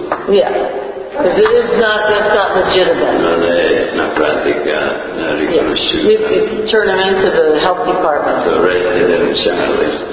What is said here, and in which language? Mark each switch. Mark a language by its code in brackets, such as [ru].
[en] Yeah. Because it is not, that's not legitimate. [it] Non è una pratica, una riconosciuta. [en] Yeah. You turn them into the health department. So, right, they're in charge.